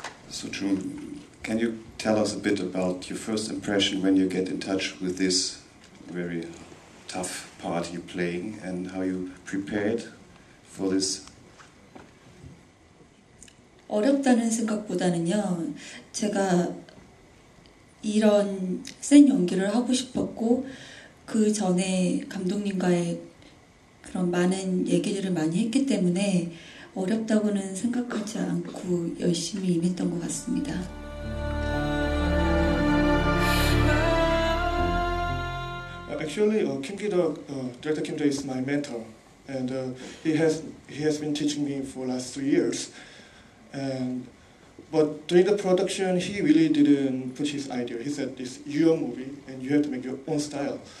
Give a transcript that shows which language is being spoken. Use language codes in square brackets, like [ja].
[en] So Juhn, can you tell us a bit about your first impression when you get in touch with this very tough part you're playing and how you prepared for this? [ko] 어렵다는 생각보다는요, 제가 이런 센 연기를 하고 싶었고 그 전에 감독님과의 그런 많은 얘기들을 많이 했기 때문에 어렵다고는 생각하지 않고 열심히 임했던 것 같습니다. [en] 디렉터 Kim Ki-duk is my mentor, and he has been teaching me for the last 3 years. But during the production, he really didn't push his idea. He said, "This is your movie, and you have to make your own style."